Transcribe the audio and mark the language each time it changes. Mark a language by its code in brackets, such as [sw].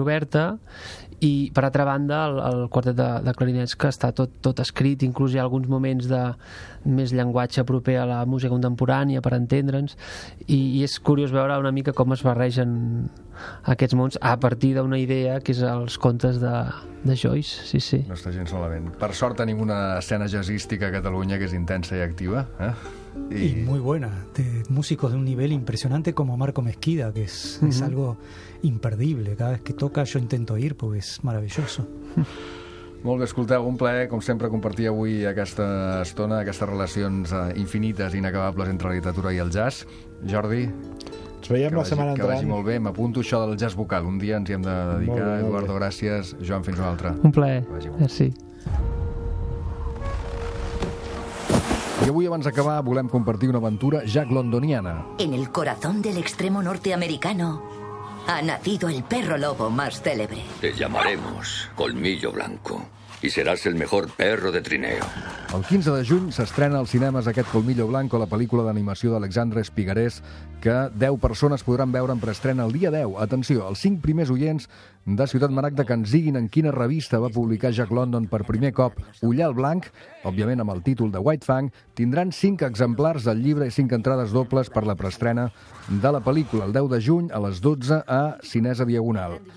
[ca] oberta, i per altra banda el quartet de clarinets, que està tot escrit, inclús hi ha alguns moments de més llenguatge proper a la música contemporània, per entendre'ns, i és curiós veure una mica com es barregen aquests mons a partir d'una idea que és els contes de Joyce. Sí, sí. No està gens malament. Per sort tenim una escena jazzística a Catalunya que és intensa i activa, eh? [es] Y muy buena, de músicos de un nivel impresionante como Marco Mezquida, que es, uh-huh, es algo imperdible. Cada vez que toca yo intento ir porque es maravilloso. [ca] Molt bé, escolteu, un plaer, com sempre, compartir avui aquesta estona, aquestes relacions infinites i inacabables entre la literatura i el jazz. Jordi, ens veiem la setmana entrant. Que vagi molt bé, m'apunto això del jazz vocal. Un dia ens hi hem de dedicar. Molt bé, Eduardo, molt bé. Gràcies. Joan, fins un altre. Un plaer. Merci. I avui, abans d'acabar, volem compartir una aventura Jack Londoniana. [es] En el corazón del extremo norteamericano ha nacido el perro lobo más célebre. Te llamaremos Colmillo Blanco y serás el mejor perro de trineo. [ca] El 15 de juny s'estrena als cinemes aquest Colmillo Blanco, la pel·lícula d'animació d'Alexandre Espigarés, que 10 persones podran veure en preestrena el dia 10. Atenció, els 5 primers oients de Ciutat Maragda que ens diguin en quina revista va publicar Jack London per primer cop Ullal Blanc, òbviament amb el títol de White Fang, tindran 5 exemplars del llibre i 5 entrades dobles per la preestrena de la pel·lícula el 10 de juny a les 12 a Cinesa Diagonal.